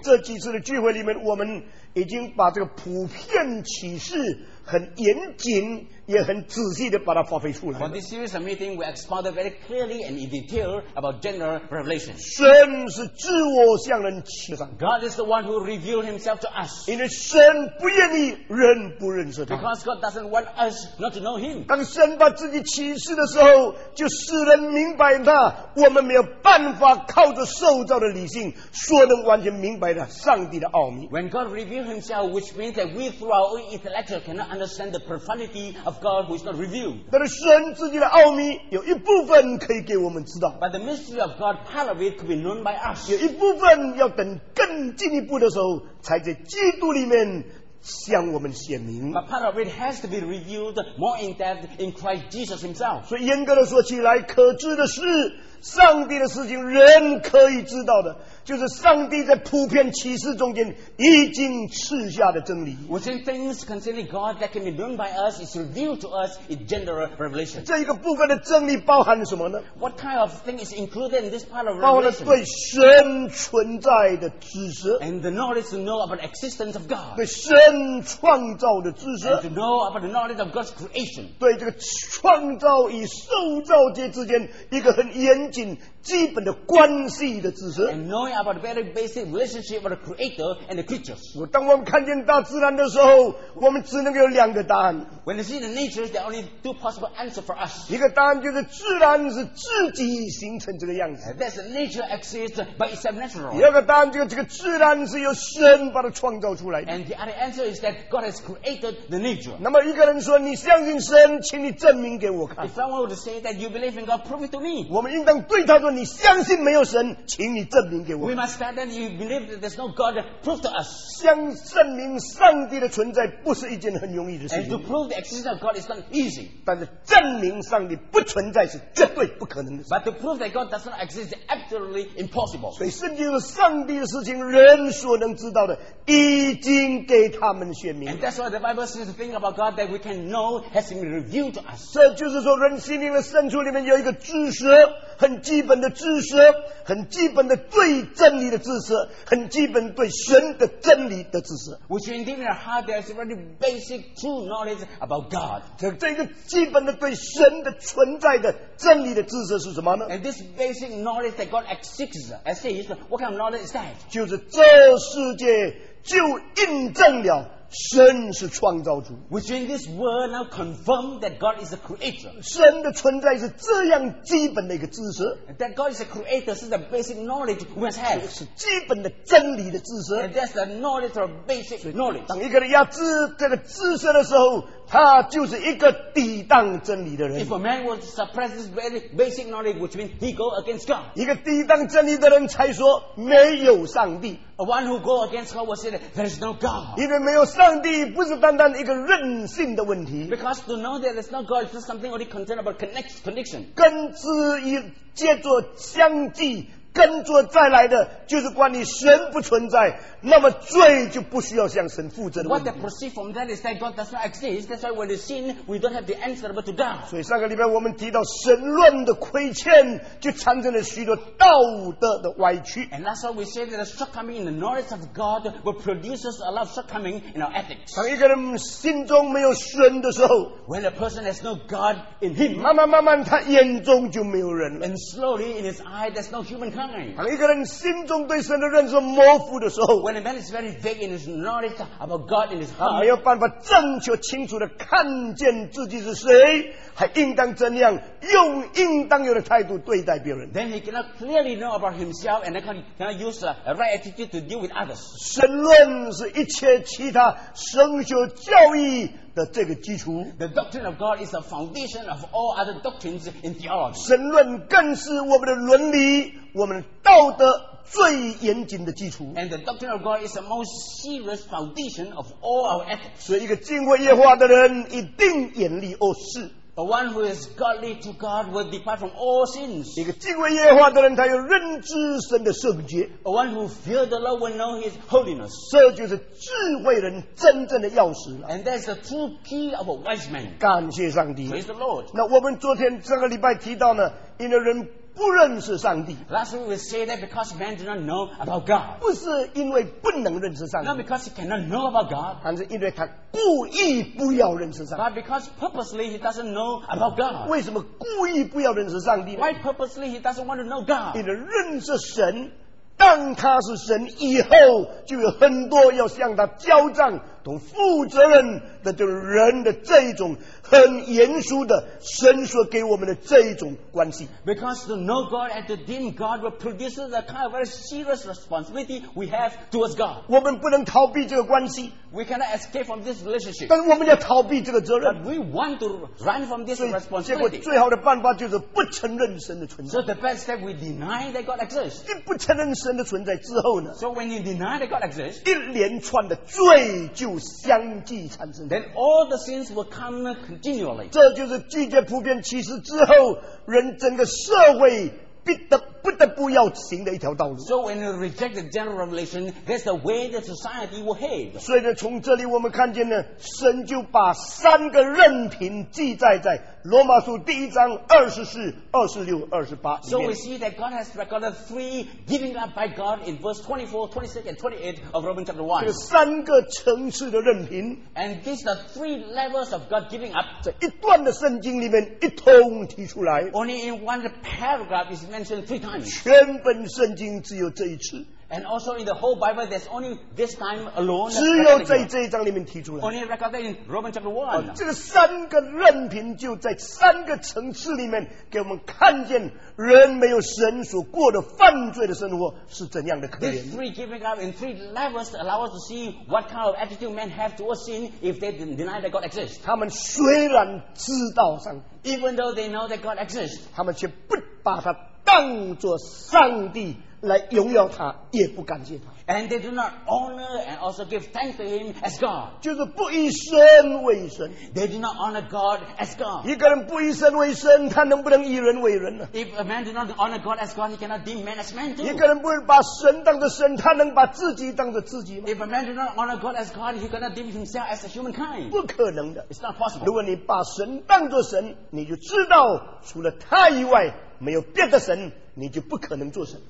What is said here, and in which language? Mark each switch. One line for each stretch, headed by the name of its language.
Chinese: 这几次的聚会里面我们已经把这个普遍启示很严谨也很仔细地把它发挥出来了。
English: For this series of meeting, we expounded very clearly and in detail about general revelation.
Chinese: 神是自我向人启示。
English: God is the one who revealed himself to us.
Chinese: 因为神不愿意人不认识他。
English: Because God doesn't want us not to know him.
Chinese: 当神把自己启示的时候就使人明白他，我们没有办法靠着受造的理性说能完全明白的上帝的奥秘。
English: When God revealed himself, which means that we through our own intellect cannot understand the profundity of God who is not revealed.
Chinese: 但是神自己的奥秘有一部分可以给我们知道。
English: But the mystery of God, part of it could be known by us.
Chinese: 有一部分要等更进一步的时候才在基督里面向我们显明。
English: But part of it has to be revealed more in depth in Christ Jesus himself.
Chinese: 所以严格的说起来，可知的是上帝的事情人可以知道的，就是上帝在普遍启示中间已经赐下的真理。
English: Within things concerning God that can be known by us is revealed to us in general revelation.
Chinese: 这一个部分的真理包含什么呢？
English: What kind of thing is included in this part of revelation?
Chinese: 包含了对神存在的知识。
English: And the knowledge to know about the existence of God.
Chinese: 对神创造的知识。
English: And to know about the knowledge of God's creation.
Chinese: 对这个创造与受造界之间一个很严谨基本的关系的知识。
English: And knowing about the very basic relationship of the creator and the creatures.
Chinese: 当我们看见大自然的时候，我们只能有两个答案。
English: When we see the nature, there are only two possible answers for us.
Chinese: 一个答案就是自然是自己形成这个样子。
English: That's the nature exists by itself natural.
Chinese: 第二个答案就是这个自然是由神把它创造出来的。
English: And the other answer is that God has created the nature.
Chinese: 那么一个人说，你相信神，请你证明给我看。
English: If someone were to say that you believe in God, prove it to me.
Chinese: 我们应当对他说，你相信没有神，请你证明给我。
English: We must stand and you believe that there's no God, prove to us.
Chinese: 相证明上帝的存在不是一件很容易的事情。
English: And to prove the existence of God is not easy.
Chinese: 但是证明上帝不存在是绝对不可能的事。
English: But to prove that God does not exist is absolutely impossible.
Chinese: 所以圣经说上帝的事情，人所能知道的，已经给他们显明。
English: And that's why the Bible says the thing about God that we can know has been revealed to us.
Chinese: 这就是说，人心灵的深处里面有一个知识。很基本的知识，很基本的对真理的知识，很基本对神的真理的知识。
English: Which in our heart there is a very basic true knowledge about God.
Chinese: 这个基本的对神的存在的真理的知识是什么呢？
English: And this basic knowledge that God exists, I say, what kind of knowledge is that?
Chinese: 就是这世界就印证了神是创造主。
English: Which in this world now confirm that God is a creator.
Chinese: 神的存在是这样基本的一个知识。
English: That God is a creator is the basic knowledge we must have.
Chinese: 是基本的真理的知识。
English: And that's the knowledge of basic knowledge.
Chinese: 当一个人要知这个知识的时候，他就是一个抵挡真理的人。
English: If a man was to suppress this very basic knowledge, which means he go against God.
Chinese: 一个抵挡真理的人才说没有上帝。
English: A one who go against God will say that there is no God.
Chinese: 因为没有上帝不是单单一个任性的问题。
English: Because to know that there is no God is something only concerned about connection.
Chinese: 跟之以接着相继跟着再来的就是关于神不存在，那么罪就不需要向神负责的问题。
English: What that proceeds from that is that God does not exist. That's why when we sin, we don't have the answer but to God.
Chinese: 所以上个礼拜我们提到神论的亏欠，就产生了许多道德的歪曲。
English: And that's why we say that the shortcoming in the knowledge of God will produce a lot of shortcoming in our ethics.
Chinese: 当一个人心中没有神的时候
English: ，When a person has no God in him，
Chinese: 慢慢他眼中就没有人了。
English: And slowly in his eye, there's no human。
Chinese: 当一个人心中对神的认识模糊的时候
English: ，When a man is very vague in his knowledge about God in his heart，
Chinese: 他没有办法正确清楚地看见自己是谁，还应当怎样用应当有的态度对待别人。
English: Then he cannot clearly know about himself and cannot use a right attitude to deal with others。
Chinese: 神论是一切其他神学教义。这个基础
English: The doctrine of God is the foundation of all other doctrines in theology.
Chinese: 神论更是我们的伦理，我们的道德最严谨的基础。
English: And the doctrine of God is the most serious foundation of all our ethics.
Chinese: 所以一个敬畏耶和华的人一定远离恶事。
English: The one who is godly to God will depart from all sins.
Chinese: 一个敬畏耶和华的人，他要认知神的圣洁。
English: A one who fears the Lord will know His holiness.
Chinese: 这就是智慧人真正的钥匙了。
English: And that's the true key of a wise man.
Chinese: 感谢上帝。
English: Praise the Lord.
Chinese: 那我们昨天上个礼拜提到呢，因为人不认识上帝。
English: Last week we say that because man did not know about God.
Chinese: 不是因为不能认识上帝。
English: Not because he cannot know about God.
Chinese: 但是因为他故意不要认识上帝。
English: But because purposely he doesn't know about God.
Chinese: 为什么故意不要认识上帝呢？
English: Why purposely he doesn't want to know God?
Chinese: 因为认识神，当他是神以后，就有很多要向他交账同负责任的，就是人的这一种很严肃的神所给我们的这一种关系。
English: Because to know God and to deem God will produce the kind of very serious responsibility we have towards God.
Chinese: 我们不能逃避这个关系。
English: We cannot escape from this relationship.
Chinese: 但我们要逃避这个责任。
English: But we want to run from this responsibility.
Chinese: 结果最好的办法就是不承认神的存在。
English: So the best step we deny that God exists.
Chinese: 一不承认神的存在之后呢？
English: So when you deny that God exists,
Chinese: 一连串的罪就相继产生。
English: Then all the sins will come continually.
Chinese: 这就是拒绝普遍启示之后，人整个社会不得不要行的一条道路。
English: So when you reject the general revelation, that's the way the society will behave.
Chinese: 所以呢，从这里我们看见呢，神就把三个任凭记载在罗马书第一章二十四、二十六、二十八里面。
English: So we see that God has recorded three giving up by God in verse 24, 26, and 28 of Romans chapter 1.
Chinese: 这三个层次的任凭。
English: And these are three levels of God giving up.
Chinese: 在一段的圣经里面一通提出来。
English: Only in one paragraph is mentioned three times.
Chinese: 全本圣经只有这一次。
English: And also in the whole Bible, there's only this time alone.
Chinese: 只有在这一章里面提出来。
English: Only recorded in Romans chapter 1.
Chinese: 这个三个任凭就在三个层次里面给我们看见人没有神所过的犯罪的生活是怎样的可怜。
English: These three giving up in three levels allow us to see what kind of attitude men have towards sin if they deny that God exists.
Chinese: 他们虽然知道上帝，
English: even though they know that God exists,
Chinese: 他们却不把他当作上帝来荣耀他，也不感谢他。
English: And they do not honor and also give thanks to him as God.
Chinese: 就是不以神为神。
English: They do not honor God as God.
Chinese: 一个人不以神为神，他能不能以人为人呢？
English: If a man do not honor God as God, he cannot deem man as man too.
Chinese: 一个人不把神当作神，他能把自己当作自己吗？
English: If a man do not honor God as God, he cannot deem himself as a humankind.
Chinese: 不可能的。
English: It's not possible.
Chinese: 如果你把神当作神，你就知道除了他以外没有别的神，你就不可能做神。